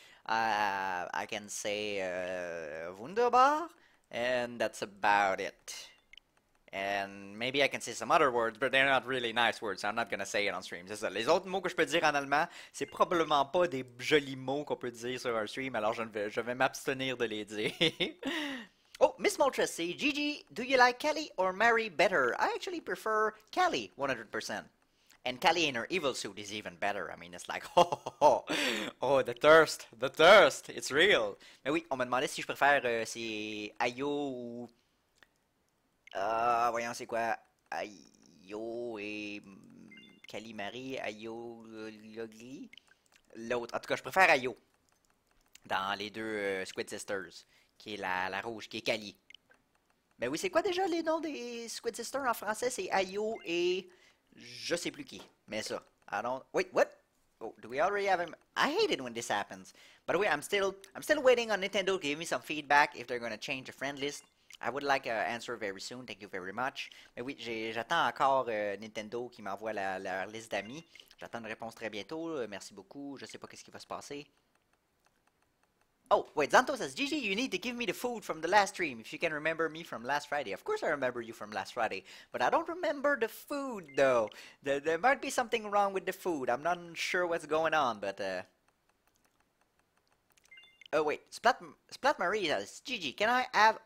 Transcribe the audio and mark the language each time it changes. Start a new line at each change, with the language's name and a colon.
English: I can say wunderbar, and that's about it. And maybe I can say some other words, but they're not really nice words, so I'm not gonna say it on stream.
French: C'est ça. Les autres mots que je peux dire en allemand, c'est probablement pas des jolis mots qu'on peut dire sur un stream, alors je vais m'abstenir de les dire.
English: Oh, Miss Moltres say, Gigi, do you like Callie or Mary better? I actually prefer Callie 100%. And Callie in her evil suit is even better. I mean, it's like, oh, the thirst, it's real.
French: Mais oui, on m'a demandé si je préfère c'est Ayo ou. Voyons, c'est quoi? Ayo et. Callie Marie, Ayo Logli? L'autre. En tout cas, je préfère Ayo. Dans les deux Squid Sisters. Qui est la rouge, qui est Callie. Mais oui, c'est quoi déjà les noms des Squid Sisters en français? C'est Ayo et. Je sais plus qui, mais ça.
English: I don't. Wait, what? Oh, do we already have him? I hate it when this happens. By the way, I'm still waiting on Nintendo to give me some feedback if they're gonna change the friend list. I would like an answer very soon. Thank you very much.
French: Mais oui, j'attends encore Nintendo qui m'envoie leur liste d'amis. J'attends une réponse très bientôt. Merci beaucoup. Je sais pas qu'est-ce qui va se passer.
English: Oh, wait, Zanto says, Gigi, you need to give me the food from the last stream if you can remember me from last Friday. Of course I remember you from last Friday, but I don't remember the food, though. There might be something wrong with the food. I'm not sure what's going on, but, Oh, wait, Splat Marie says, Gigi, can I have.